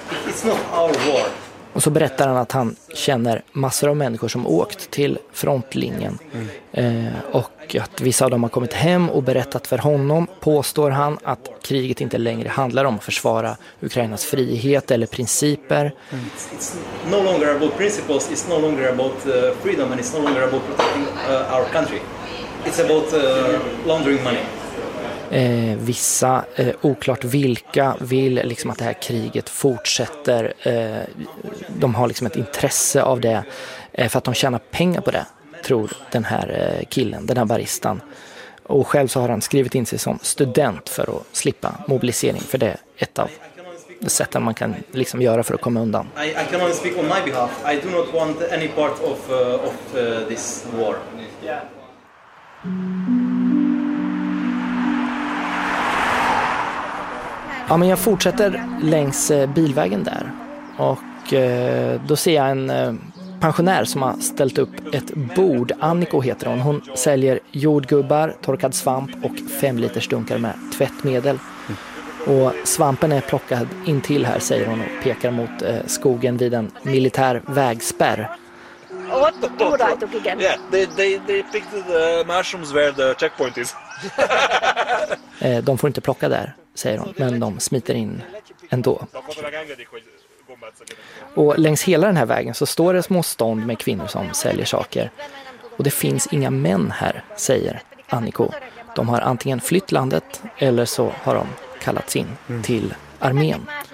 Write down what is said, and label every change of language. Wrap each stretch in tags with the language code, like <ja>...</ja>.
<en>It's not our war.</en> <sv>Och så berättar han att han känner massor av människor som åkt till frontlinjen. Och att vissa av dem har kommit hem och berättat för honom, påstår han, att kriget inte längre handlar om att försvara Ukrainas frihet eller principer.</sv> <en>It's no longer about principles, it's no longer about freedom, and it's no longer about protecting our country. It's about laundering money.</en> <sv>Vissa, oklart vilka, vill liksom att det här kriget fortsätter. De har liksom ett intresse av det för att de tjänar pengar på det, tror den här killen, den här baristan. Och själv så har han skrivit in sig som student för att slippa mobilisering. För det är ett av sätten man kan liksom göra för att komma undan.</sv> <en>I can only speak on my behalf. I do not want any part of this war. Yeah.</en> <sv>Ja, men jag fortsätter längs bilvägen där och då ser jag en pensionär som har ställt upp ett bord. Anniko heter hon. Hon säljer jordgubbar, torkad svamp och 5 liters dunkar med tvättmedel. Och svampen är plockad in till här, säger hon, och pekar mot skogen vid en militär vägspärr.</sv> <en>What the food I took again? Yeah, they picked the mushrooms where the checkpoint is.</en> <sv>De får inte plocka där, säger hon, men de smiter in ändå. Och längs hela den här vägen så står det små stånd med kvinnor som säljer saker. Och det finns inga män här, säger Anniko. De har antingen flytt landet eller så har de kallats in till armén.</sv>